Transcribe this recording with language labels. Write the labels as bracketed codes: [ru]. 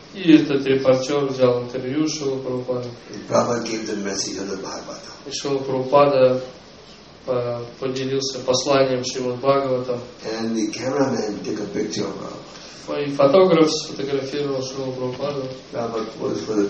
[ru] И этот репортер взял интервью Шрила Прабхупады. [en] And Prabhupada gave the message of the Bhagavata. [ru] И Шрила Прабхупада поделился посланием Шримад Бхагаватам. [en] And the cameraman took a picture of Prabhupada. [ru] И фотограф сфотографировал Шрила Прабхупаду.